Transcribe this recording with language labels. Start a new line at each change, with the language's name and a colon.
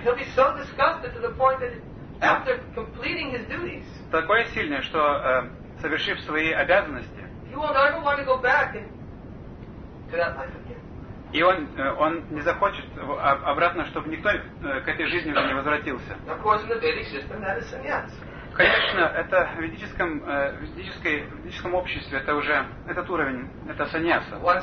English: He'll be so disgusted to the point that after completing his duties,
Russian: такое сильное, что совершив свои обязанности,
English: he will never want to go back to that life again.
Russian: И он не захочет обратно, чтобы никто к этой жизни уже не возвратился.
English: Of course, in the Vedic system, that is sannyas.
Russian: Конечно, это в ведическом обществе это уже этот уровень, это саньяса.